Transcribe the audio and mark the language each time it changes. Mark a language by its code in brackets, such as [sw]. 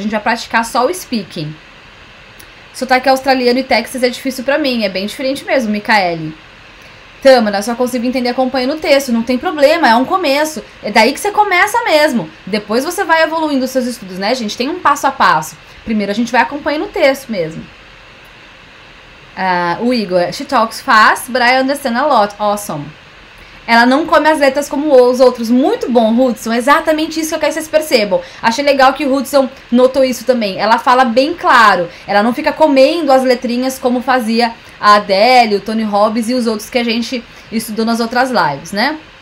[pt] Hoje a gente vai praticar só o speaking. Sotaque australiano e Texas é difícil pra mim. É bem diferente mesmo, Micaele. Tamara, só consigo entender acompanhando o texto, não tem problema, é um começo. É daí que você começa mesmo. Depois você vai evoluindo os seus estudos, né, gente? Tem um passo a passo. Primeiro a gente vai acompanhando o texto mesmo. [en] O Igor, she talks fast, but I understand a lot. Awesome. [pt] Ela não come as letras como os outros. Muito bom, Hudson. Exatamente isso que eu quero que vocês percebam. Achei legal que o Hudson notou isso também. Ela fala bem claro. Ela não fica comendo as letrinhas como fazia a Adele, o Tony Robbins e os outros que a gente estudou nas outras lives, né?